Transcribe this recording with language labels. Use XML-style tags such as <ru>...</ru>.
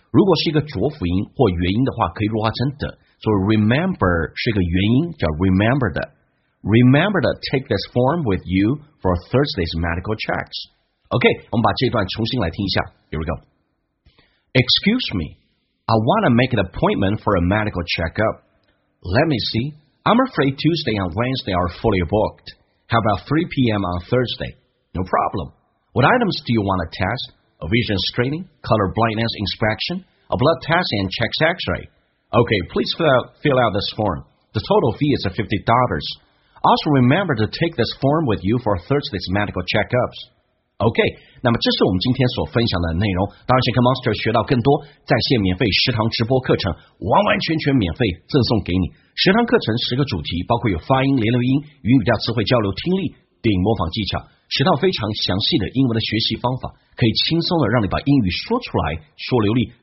<zh>如果是一个浊辅音或元音的话，可以弱化成 t。所以 remember 是一个元音，叫 remember 的。</zh> <en>Remember to take this form with you for Thursday's medical checks.</en> <zh>OK, 我们把这段重新来听一下。</zh> <en>Here we go. Excuse me, I want to make an appointment for a medical checkup. Let me see. I'm afraid Tuesday and Wednesday are fully booked. How about 3 p.m. on Thursday? No problem. What items do you want to test? A vision screening, color blindness inspection, a blood test and chest x-ray. Okay, please fill out this form. The total fee is $50. Also remember to take this form with you for Thursday's medical checkups.</en> <zh>Okay, 那么这是我们今天所分享的内容。当然想跟 Monster 学到更多在线免费食堂直播课程，完完全全免费赠送给你。十堂课程十个主题，包括有发音、连留音、语音语调、词汇交流、听力、电影模仿技巧，十套非常详细的英文的学习方法，可以轻松的让你把英语说出来、说流利。</zh>